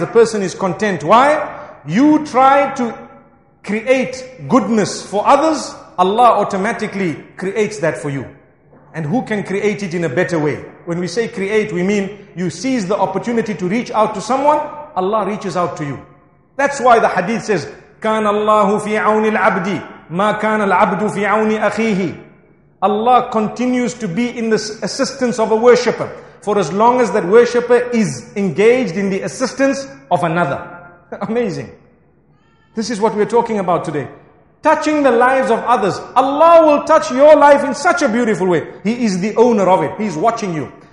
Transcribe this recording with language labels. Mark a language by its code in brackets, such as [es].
[en] The person is content. Why? You try to create goodness for others, Allah automatically creates that for you. And who can create it in a better way? When we say create, we mean you seize the opportunity to reach out to someone, Allah reaches out to you. That's why the hadith says, [ar] كَانَ اللَّهُ فِي عَوْنِ الْعَبْدِ مَا كَانَ الْعَبْدُ فِي عَوْنِ أَخِيهِ. [en] Allah continues to be in the assistance of a worshipper for as long as that worshipper is engaged in the assistance of another. Amazing. This is what we're talking about today. Touching the lives of others. Allah will touch your life in such a beautiful way. He is the owner of it. He's watching you.